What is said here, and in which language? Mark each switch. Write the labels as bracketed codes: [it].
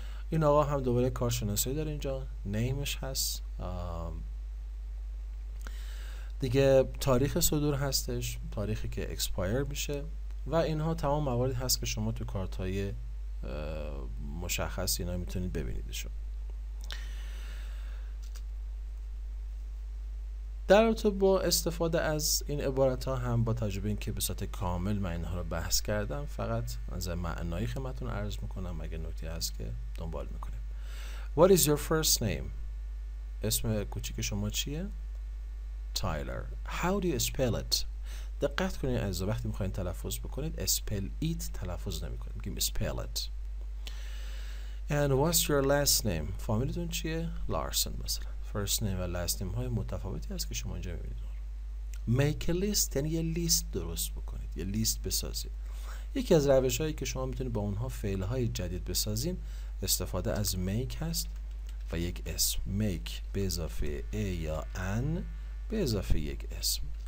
[fa] این آقا هم دوباره کارشناسی داره اینجا، نیمش هست دیگه، تاریخ صدور هستش، تاریخی که اکسپایر میشه، و اینها تمام مواردی هست که شما تو کارتای مشخص اینا میتونید ببینیدشون. در رابطه با استفاده از این عبارات ها هم با تجربه این که به صورت کامل من اینها رو بحث کردم، فقط از معنایی خدمتتون عرض میکنم اگه نکته هست که دنبال میکنیم. [en] What is your first name؟ [fa] اسم کوچیک شما چیه؟ [en] Tyler. How do you spell it؟ [fa] دقت کنید از وقتی میخواین تلفظ بکنید، spell it تلفظ نمی کنید، میگیم spell it. [en] And what's your last name؟ [fa] فامیلتون چیه؟ [en] Larson مثلا. [fa] First name و last name های متفاوتی هست که شما اینجا میبینید. Make a list یعنی یه لیست درست بکنید، یه لیست بسازید. یکی از روش هایی که شما میتونید با اونها فعل های جدید بسازید استفاده از make هست و یک اسم. Make به اضافه a یا an به اضافه یک اسم.